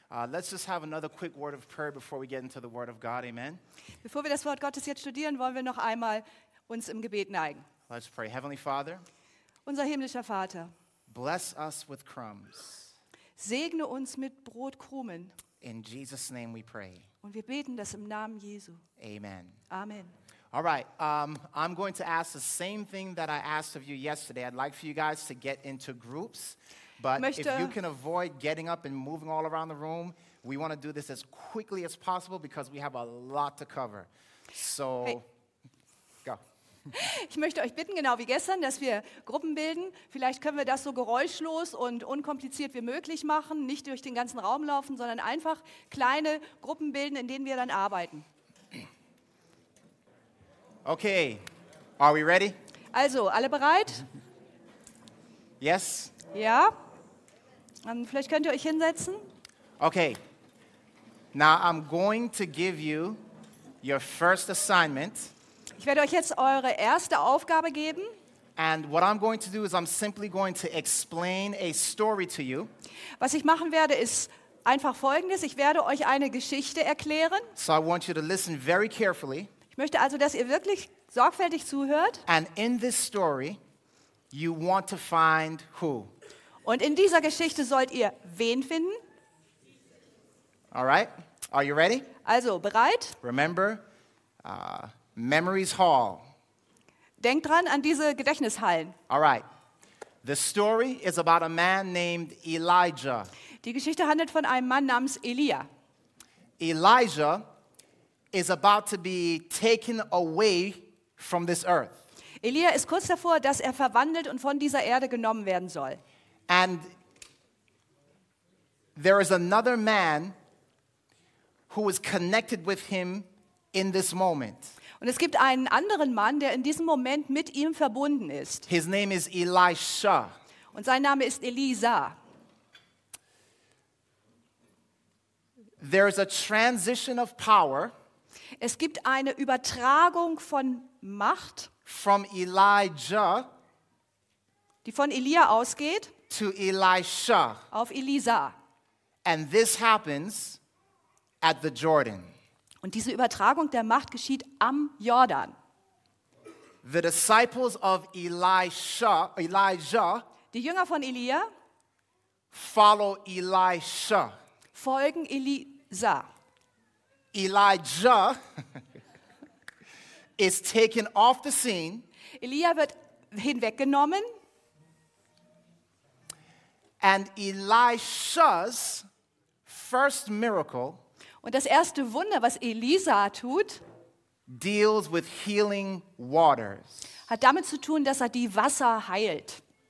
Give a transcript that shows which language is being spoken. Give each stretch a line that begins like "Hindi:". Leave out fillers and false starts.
English: Let's just have another quick word of prayer before we get into the Word of God. Amen.
German: Bevor wir das Wort Gottes jetzt studieren, wollen wir noch einmal uns im Gebet neigen.
English: Let's pray. Heavenly Father.
German: Unser himmlischer Vater.
English: Bless us with crumbs.
German: Segne uns mit Brotkrumen.
English: In Jesus' name we pray.
German: Und wir beten das im Namen Jesu.
English: Amen. Amen. All right, I'm going to ask the same thing that I asked of you yesterday. I'd like for you guys to get into groups. But
German: möchte,
English: if you can avoid getting up and moving all around the room, we want to do this as quickly as possible because we have a lot to cover. So, hey. Go.
German: Ich möchte euch bitten, genau wie gestern, dass wir Gruppen bilden. Vielleicht können wir das so geräuschlos und unkompliziert wie möglich machen. Nicht durch den ganzen Raum laufen, sondern einfach kleine Gruppen bilden, in denen wir dann arbeiten.
English: Okay, are we ready?
German: Also, alle bereit?
English: Yes?
German: Ja? Und vielleicht könnt ihr euch hinsetzen.
English: Okay, now I'm going to give you your first assignment.
German: Ich werde euch jetzt eure erste Aufgabe geben.
English: And what I'm going to do is I'm simply going to explain a story to you.
German: Was ich machen werde, ist einfach Folgendes. Ich werde euch eine Geschichte erklären.
English: So I want you to listen very carefully.
German: Ich möchte also, dass ihr wirklich sorgfältig zuhört.
English: And in this story, you want to find who?
German: Und in dieser Geschichte sollt ihr wen finden?
English: All right. Are you ready?
German: Also, bereit?
English: Remember, Memories Hall.
German: Denk dran an diese Gedächtnishallen.
English: All right. The story is about a man named Elijah.
German: Die Geschichte handelt von einem Mann namens Elia.
English: Elijah is about to be taken away from this earth.
German: Elia ist kurz davor, dass er verwandelt und von dieser Erde genommen werden soll.
English: And there is another man who is connected with him in this moment.
German: Und es gibt einen anderen Mann, der in diesem Moment mit ihm verbunden ist.
English: His name is Elisha.
German: Und sein Name ist Elisa.
English: There is a transition of power.
German: Es gibt eine Übertragung von Macht.
English: From Elijah.
German: Die von Elia ausgeht.
English: To Elisha.
German: Auf Elisa.
English: And this happens at the Jordan.
German: Und diese Übertragung der Macht geschieht am Jordan.
English: The disciples of Elijah,
German: die Jünger von Elia,
English: follow Elisha.
German: Folgen Elisa.
English: Elijah is taken off the scene.
German: Elia wird hinweggenommen.
English: And Elisha's first miracle.
German: Und das erste Wunder, was Elisa tut,
English: deals with healing waters.
German: Hat damit zu tun, dass er die Wasser heilt.